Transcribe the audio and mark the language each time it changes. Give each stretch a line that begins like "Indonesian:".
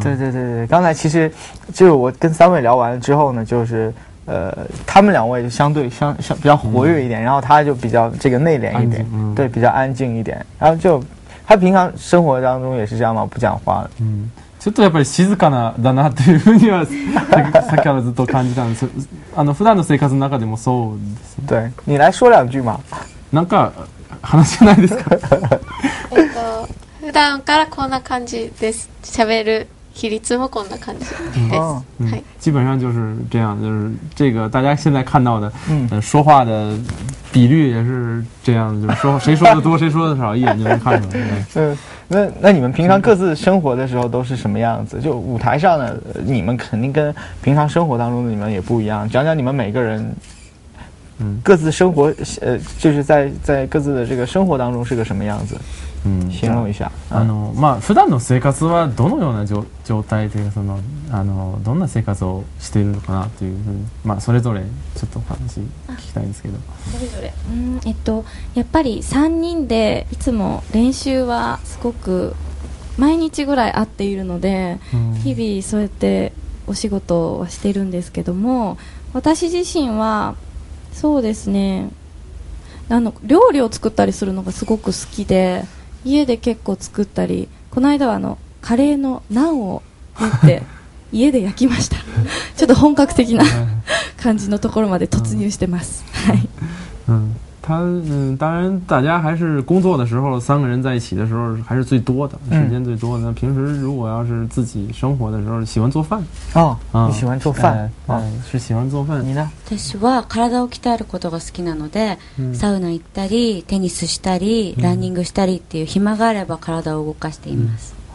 Chinese: 对对对对，刚才其实就是我跟三位聊完之后呢，就是他们两位就相对比较活跃一点，然后他就比较这个内敛一点，对，比较安静一点。然后就他平常生活当中也是这样嘛，不讲话。
Japanese: ちょっとやっぱり静かなだなというふうにはさっきからずっと感じたんです。普段の生活の中でもそうですね。
Chinese: 对，你来说两句嘛。
Japanese: なんか話せないですか？普段からこんな感じです。喋る比率もこんな感じです。
Chinese: 基本上就是这样，就是这个大家现在看到的，说话的比率也是这样，就是说谁说的多，谁说的少，一眼就能看出来。那你们平常各自生活的时候都是什么样子？就舞台上的你们肯定跟平常生活当中的你们也不一样，讲讲你们每个人各自生活就是在各自的这个生活当中是个什么样子，形容一下。
Japanese: まあ普段の生活はどのような状態で、そのどんな生活をしているのかなというふうに、まあそれぞれちょっと話聞きたいんですけど。それぞれ。やっぱり3人でいつも練習はすごく毎日ぐらい会っているので、日々そうやってお仕事はしているんですけども、私自身はそうですね。料理を作ったりするのがすごく好きで、家で結構作ったり、この間はカレーのナンを持って家で焼きました。ちょっと本格的な感じのところまで突入してます。
Chinese: 他当然大家还是工作的时候三个人在一起的时候还是最多的，时间最多的。平时如果要是自己生活的时候喜欢做饭。你喜欢做饭。是喜欢做饭。你呢？
Japanese: 私は体を鍛えることが好きなので、サウナ行ったりテニスしたりランニングしたりっていう暇があれば体を動かしています。